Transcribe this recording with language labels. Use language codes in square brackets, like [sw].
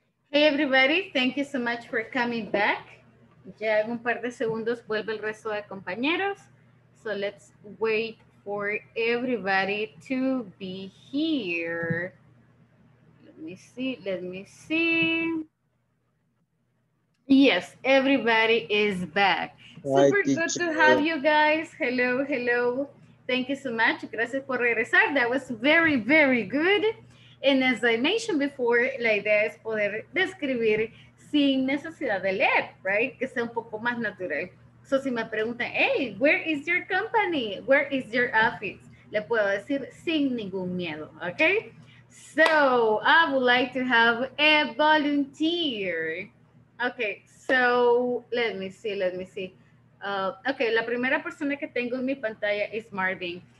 [en] Hey everybody, thank you so much for coming back. [es] Ya en un par de segundos vuelve el resto de compañeros. [en] So let's wait for everybody to be here. Let me see. Yes, everybody is back. Super good to have you guys. Hello. Thank you so much. [es] Gracias por regresar. [en] That was very, very good. And as I mentioned before, [es] la idea es poder describir sin necesidad de leer, right? Que sea un poco más natural. So si me preguntan, hey, [en] where is your company? Where is your office? [es] Le puedo decir sin ningún miedo, okay? [en] So I would like to have a volunteer. Okay, so let me see. [es] Okay, la primera persona que tengo en mi pantalla is Marvin.